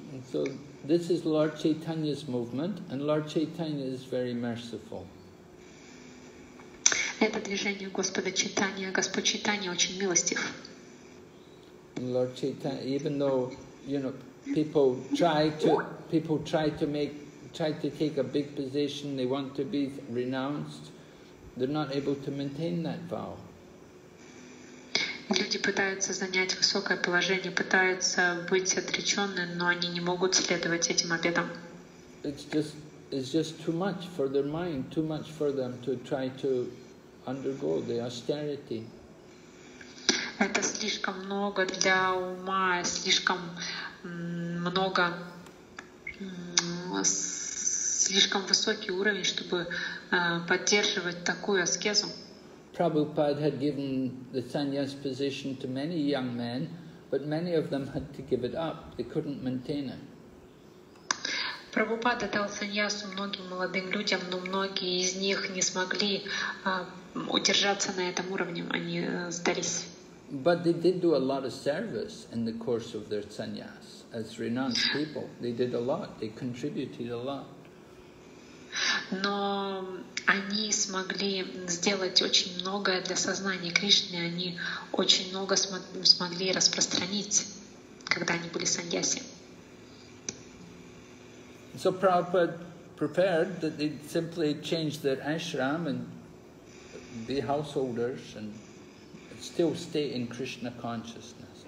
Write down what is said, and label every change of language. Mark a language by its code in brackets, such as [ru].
[en] So this is Lord Chaitanya's movement, and Lord Chaitanya is very merciful. [ru] Это движение Господа Чайтаньи, Господь Чайтанья очень милостив. [en] Lord Chaitanya, even though, you know, people try to take a big position, they want to be renounced, they're not able to maintain that vow. [ru] Люди пытаются занять высокое положение, пытаются быть отречённы, но они не могут следовать этим обетам. [en] It's just too much for their mind, too much for them to try to undergo the austerity. [ru] Это слишком много для ума, слишком много, слишком высокий уровень, чтобы поддерживать такую аскезу. [en] Prabhupada had given the sannyas position to many young men, but many of them had to give it up. They couldn't maintain it. [ru] Прабхупада дал саньясу многим молодым людям, но многие из них не смогли удержаться на этом уровне. Они сдались. [en] But they did do a lot of service in the course of their sannyas as renounced people. They did a lot. They contributed a lot. [ru] Но они смогли сделать очень многое для сознания Кришны, они очень много смогли распространить, когда они были саньяси. [en] So Prabhupada prepared that they'd simply change their ashram and be householders and still stay in Krishna consciousness.